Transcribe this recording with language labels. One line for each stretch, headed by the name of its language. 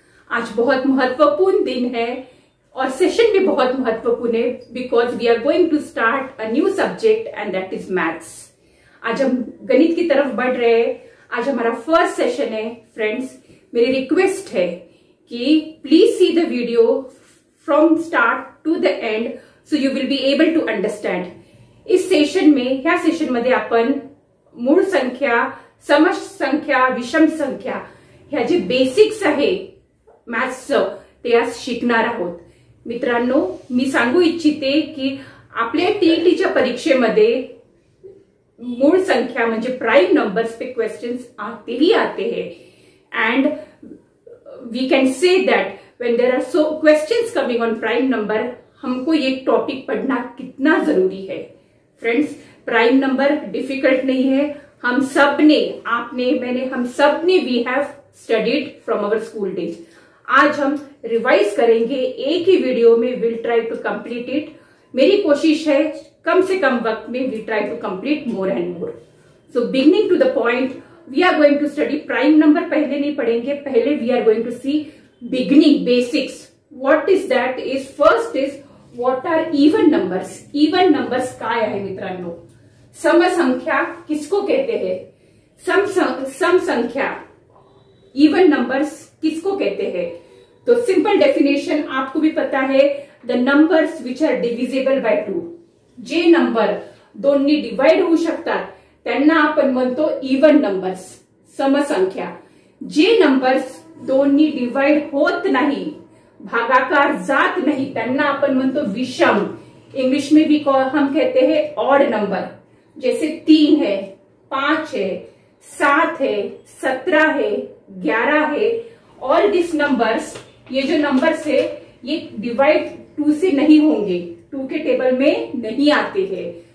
Hindi: आज बहुत महत्वपूर्ण दिन है और सेशन भी बहुत महत्वपूर्ण है,
English: Because we are going to start a new subject and that is maths.
Hindi: आज हम गणित की तरफ बढ़ रहे हैं, आज हमारा फर्स्ट सेशन है।
English: friends,
Hindi: मेरी रिक्वेस्ट है कि
English: Please see the video from start to the end, so you will be able to understand.
Hindi: इस सेशन में,
Marathi: या सेशन मध्ये आपण मूळ संख्या, समष्ट संख्या, विषम संख्या ह्या जे बेसिक्स आहे मॅथ्स, ते आज शिकणार आहोत। मित्रांनो, मी सांगू इच्छिते की आपल्या टीईटीच्या परीक्षेमध्ये मूळ संख्या म्हणजे प्राइम नंबर्स
Hindi: पे क्वेश्चन्स आतेही आते हैं,
English: and we can say that when there are so questions coming on prime number,
Hindi: हमको ये टॉपिक पढ़ना कितना जरूरी है। फ्रेंड्स, प्राइम नंबर डिफिकल्ट नहीं है, हम सब ने, आपने, मैंने, हम सब ने
English: We have studied from our school days.
Hindi: आज हम रिवाइज करेंगे एक ही वीडियो में,
English: Will try to complete it.
Hindi: मेरी कोशिश है कम से कम वक्त में
English: We try to complete more and more. So beginning to the point, we are going to study prime number.
Hindi: पहले नहीं पढ़ेंगे, पहले
English: We are going to see beginning basics. What is that is, first is, what are even numbers?
Marathi: Even numbers काय आहे मित्रांनो?
Hindi: सम संख्या किसको कहते हैं? सम संख्या, इवन नंबर्स किसको कहते हैं? तो सिंपल डेफिनेशन आपको भी पता है,
English: The numbers which are divisible by two.
Marathi: जे नंबर दोन्ही डिवाइड होऊ शकतात त्यांना आपण म्हणतो इवन नंबर्स, सम संख्या। जे नंबर्स दोन्ही डिवाइड होत नाही, भागाकार जात नहीं, त्यांना आपण म्हणतो विषम।
Hindi: इंग्लिश में भी हम कहते हैं ऑड नंबर, जैसे 3 है, 5 है, 7 है, 17 है, 11 है।
English: all this numbers,
Hindi: ये जो नंबर्स है ये डिवाइड 2 से नहीं होंगे, 2 के टेबल में नहीं आते हैं।